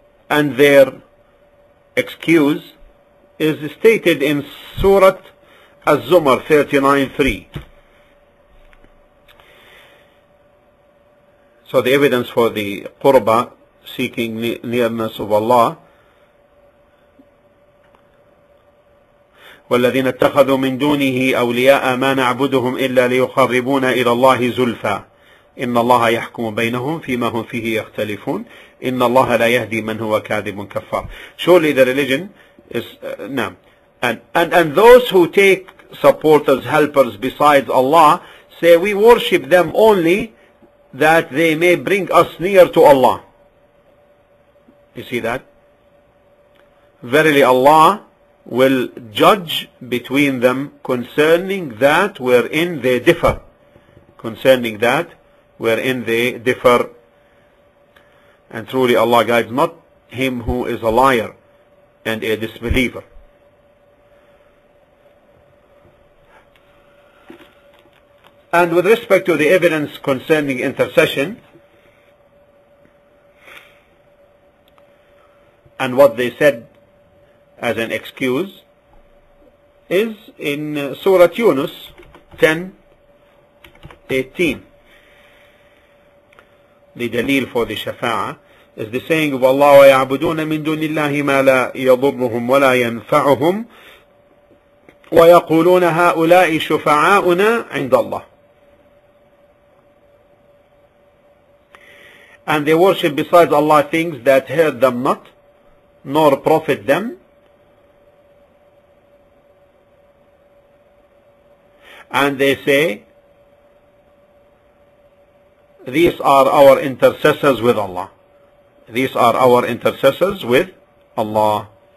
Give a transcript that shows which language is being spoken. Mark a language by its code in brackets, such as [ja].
[en] and their excuse is stated in Surah Az-Zumar 39:3. So the evidence for the Qurba, seeking nearness of Allah. [ar] والذين اتخذوا من دونه أولياء ما نعبدهم إلا ليقربونا إلى الله زلفى إن الله يحكم بينهم فيما هم فيه يختلفون إن الله لا يهدي من هو كاذب كفار. [en] Surely the religion is and those who take supporters, helpers besides Allah, say we worship them only that they may bring us near to Allah. You see that? Verily Allah will judge between them concerning that wherein they differ. Concerning that wherein they differ. And truly Allah guides not him who is a liar and a disbeliever. And with respect to the evidence concerning intercession and what they said as an excuse is in Surah Yunus 10:18. The dalil for the shafa'a is the saying of Allah, [ar] وَيَعْبُدُونَ مِن دُونِ اللَّهِ مَا لَا يَضُرُّهُمْ وَلَا يَنْفَعُهُمْ وَيَقُولُونَ هَؤُلَاءِ شُفَعَاؤُنَا عِنْدَ اللَّهِ. [en] And they worship besides Allah things that hurt them not, nor profit them, and they say these are our intercessors with Allah, these are our intercessors with Allah.